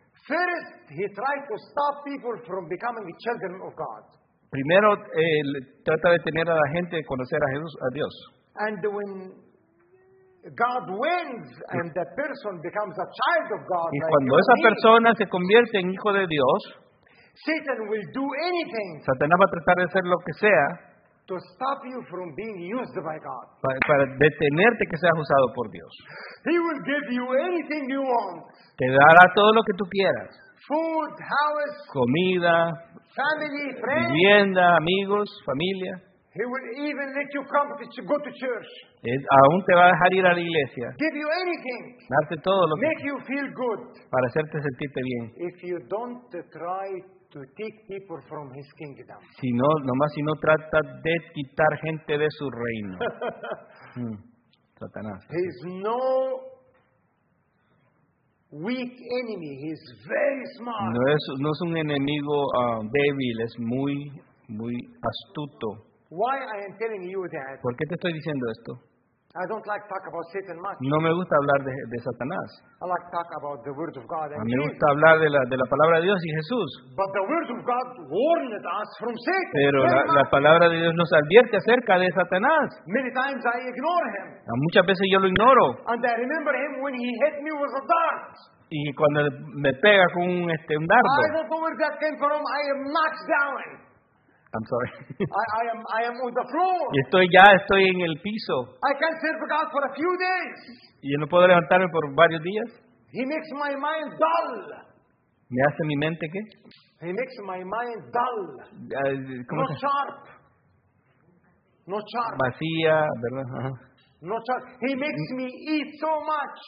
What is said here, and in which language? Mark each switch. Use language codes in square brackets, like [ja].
[en] First, he tried to stop people from becoming the children of God. [es] Primero, trata de tener a la gente de conocer a Jesús, a Dios. [en] And when God wins and the person becomes a child of God, [es] y cuando esa persona se convierte en hijo de Dios, [en] Satan will do anything, [es] Satanás va a tratar de hacer lo que sea, [en] to stop you from being used by God, [es] para detenerte que seas usado por Dios. [en] He will give you anything you want, [es] te dará todo lo que tú quieras. [en] Food, house, [es] comida, [en] family, friends, [es] vivienda, amigos, familia. [en] He will even let you come to go to church. [es] Aún te va a dejar ir a la iglesia. [en] Give you anything, [es] darte todo lo [en] make you feel good, [es] para hacerte sentirte bien. [en] If you don't try to take people from his kingdom. [es] Si no, nomás si no trata de quitar gente de su reino. Satanás. [en] He's no weak enemy. He's very smart. [es] No es un enemigo débil. Es muy, muy astuto. [en] Why I am telling you that? [es] ¿Por qué te estoy diciendo esto? [en] I don't like talk about Satan much. [es] No me gusta hablar de Satanás. [en] I like talk about the word of God and [es] me gusta hablar de la palabra de Dios y Jesús. [en] But the word of God warned us from Satan. [es] Pero la palabra de Dios nos advierte acerca de Satanás. [en] Many times I ignore him. [es] Muchas veces yo lo ignoro. [en] And I remember him when he hit me with a dart. [es] Y cuando me pega con un dardo. [en] I don't know where that came from. I am knocked down. I'm sorry. I am on the floor. [es] Estoy en el piso. [en] I can't serve God for a few days. [es] Y no puedo levantarme por varios días. [en] He makes my mind dull. [es] ¿Me hace mi mente qué? [en] He makes my mind dull. [es] ¿Cómo no se? [en] Sharp. No sharp. [es] Vacía, ¿verdad? Uh-huh. [en] No sharp. He makes me eat so much.